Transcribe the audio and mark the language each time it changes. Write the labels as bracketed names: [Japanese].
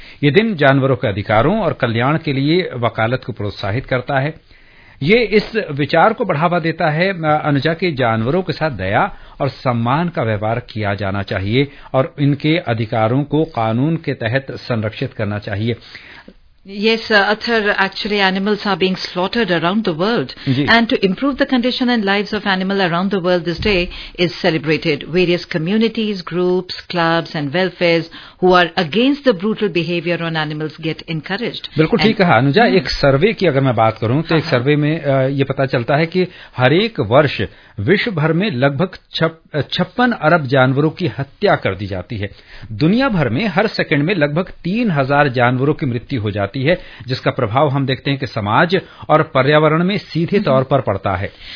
[Hindi] यह दिन जानवरों के अधिकारों और कल्याण के लिए वकालत को प्रोत्साहित करता है। ये इस विचार को बढ़ावा देता है अनुजा के जानवरों के साथ दया और सम्मान का व्यवहार किया जाना चाहिए और इनके अधिकारों को कानून के तहत संरक्षित करना चाहिए। [English] Yes, Athar, actually animals are being slaughtered around the world. Yes. And to improve the condition and lives of animals around the world, this day is celebrated. Various communities, groups, clubs and welfares who are against the brutal behavior on animals get encouraged. [Hindi] बिल्कुल ठीक कहा अनुजा। एक सर्वे की अगर मैं बात करूं तो एक सर्वे में ये पता चलता है कि हर एक वर्ष विश्व भर में लगभग 56 अरब जानवरों की हत्या कर दी जाती है। दुनिया भर में हर सेकंड में लगभग 3000 जानवरों की मृत्यु हो जाती है। जाती है, जिसका प्रभाव हम देखते हैं कि समाज और पर्यावरण में सीधे तौर पर पड़ता है.